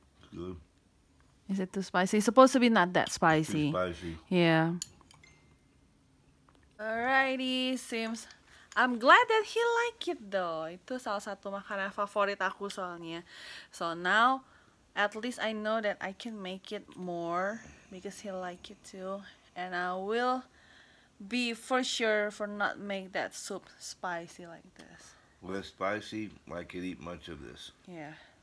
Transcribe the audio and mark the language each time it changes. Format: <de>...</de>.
<en>Good. Is it too spicy? It's supposed to be not that spicy. Too spicy. Yeah. Alrighty, seems. I'm glad that he like it though.</en> <id>Itu salah satu makanan favorit aku soalnya.</id> <en>So now, at least I know that I can make it more because he like it too. And I will be for sure for not make that soup spicy like this. Well, spicy, I could eat much of this. Yeah.</en>